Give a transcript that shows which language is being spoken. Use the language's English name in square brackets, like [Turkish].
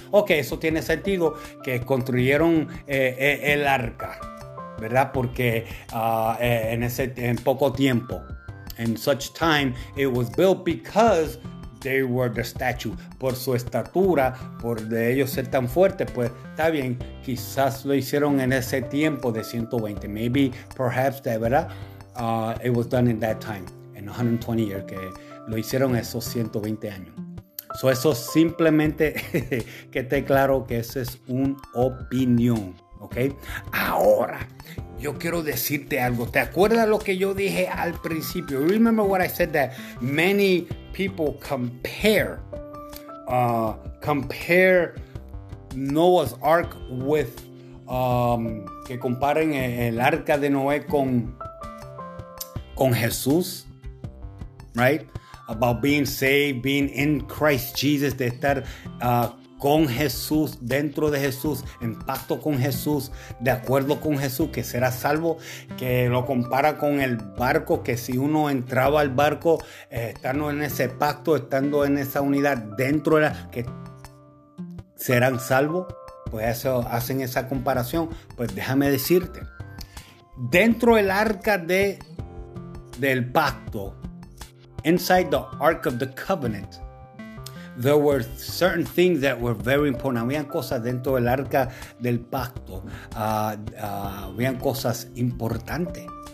[Spanish] Okay, eso tiene sentido, que construyeron el arca, ¿verdad? [English] Porque en poco tiempo, in such time, it was built because they were the statue. [Spanish] Por su estatura, por de ellos ser tan fuertes, pues está bien, quizás lo hicieron en ese tiempo de 120. [English] Maybe, perhaps, de verdad, it was done in that time, in 120 years, que lo hicieron esos 120 años. [Spanish] So eso simplemente que esté claro que esa es una opinión. Okay. Ahora, yo quiero decirte algo. ¿Te acuerdas lo que yo dije al principio? [English] Remember what I said, that many people compare Noah's Ark with que comparen el arca de Noé con Jesús, right? [Spanish] About being saved, being in Christ Jesus, de estar con Jesús, dentro de Jesús, en pacto con Jesús, de acuerdo con Jesús, que será salvo, que lo compara con el barco, que si uno entraba al barco, estando en ese pacto, estando en esa unidad, dentro de la, que serán salvos, pues eso, hacen esa comparación. Pues déjame decirte, dentro del arca del pacto, inside the Ark of the Covenant, there were certain things that were very important. Habían cosas dentro del arca del pacto. Habían cosas importantes.